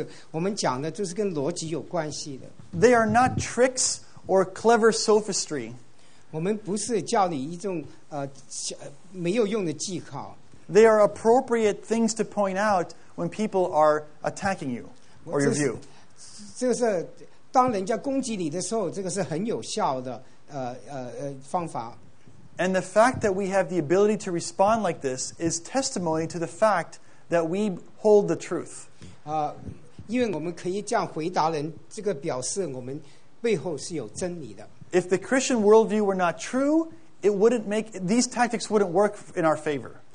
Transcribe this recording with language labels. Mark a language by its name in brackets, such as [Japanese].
[Chinese] 我们讲的就是跟逻辑有关系的。 [English] They are not tricks or clever sophistry. [Chinese] 我们不是教你一种没有用的技巧。 [English] They are appropriate things to point out when people are attacking you or your view. [Chinese] 这是当人家攻击你的时候，这个是很有效的方法。 [English] And the fact that we have the ability to respond like this is testimony to the fact that we hold the truth. [Chinese] 因为我们可以这样回答人，这个表示我们背后是有真理的。 [English] If the Christian worldview were not true, it wouldn't make these tactics wouldn't work in our favor.